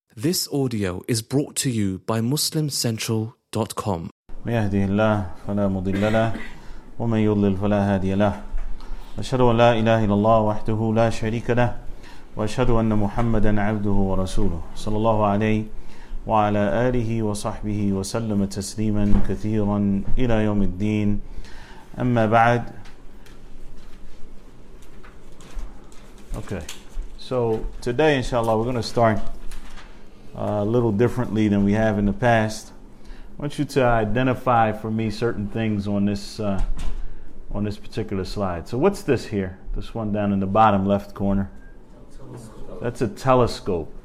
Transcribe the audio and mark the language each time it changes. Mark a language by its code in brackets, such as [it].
[en] This audio is brought to you by MuslimCentral.com. [ar] بيهدي الله فلا مضل له ومن يضلل فلا هادي له أشهد أن لا إله إلا الله وحده لا شريك له وأشهد أن محمدا عبده ورسوله صلى الله عليه وعلى آله وصحبه وسلم تسليما كثيرا إلى يوم الدين أما بعد. [en] Okay, so today inshallah we're going to start a little differently than we have in the past. I want you to identify for me certain things on this particular slide. So what's this here? This one down in the bottom left corner. That's a telescope.